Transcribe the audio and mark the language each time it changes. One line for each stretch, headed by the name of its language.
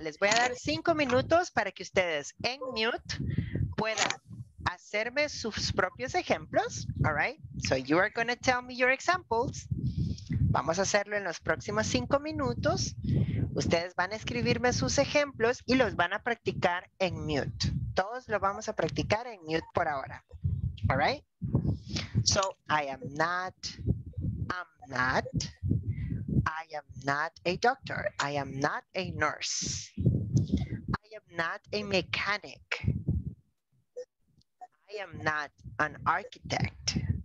Spanish: Les voy a dar 5 minutos para que ustedes en mute puedan hacerme sus propios ejemplos,
English: all right? So you are going to tell me your examples.
Spanish: Vamos a hacerlo en los próximos 5 minutos. Ustedes van a escribirme sus ejemplos y los van a practicar en mute, todos lo vamos a practicar en mute por ahora.
English: All right? So, I am not, I'm not, I am not a doctor, I am not a nurse, I am not a mechanic, I am not an architect.